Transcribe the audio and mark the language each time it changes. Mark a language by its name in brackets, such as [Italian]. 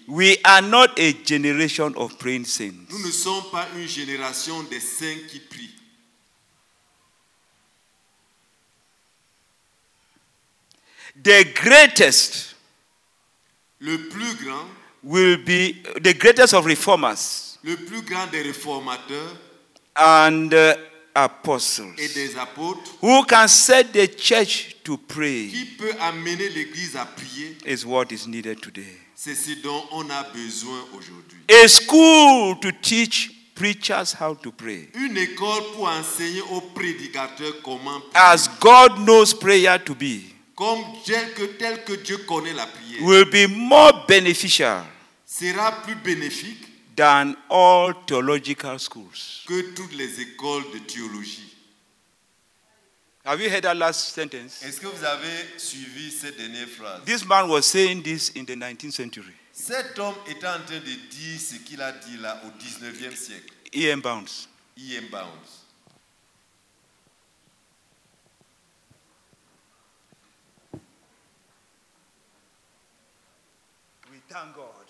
[English] We are not a generation of praying saints. [French] Nous ne sommes pas une génération des saints qui prient. [English] The greatest, [French] le plus grand, [English] will be the greatest of reformers, [French] le plus grand des réformateurs, [English] and apostles, [French] et des apôtres, [English] who can set the church to pray, [French] qui peut amener l'église à prier, [English] is what is needed today. [French] C'est ce dont on a besoin aujourd'hui. [English] A school to teach preachers how to pray. [French] Une école pour enseigner aux prédicateurs comment prier. [English] As God knows prayer to be. [French] Comme tel que Dieu connaît la prière, [English] will be more beneficial, [French] sera plus bénéfique, [English] than all theological schools, [French] que toutes les écoles de théologie. [English] Have you heard that last sentence? [French] Est-ce que vous avez suivi cette dernière phrase? [English] This man was saying this in the 19th century. [French] Cet homme était en train de dire ce qu'il a dit là au 19e siècle. [English] E.M. Bounds. [French] E.M. Bounds. [English] We thank God.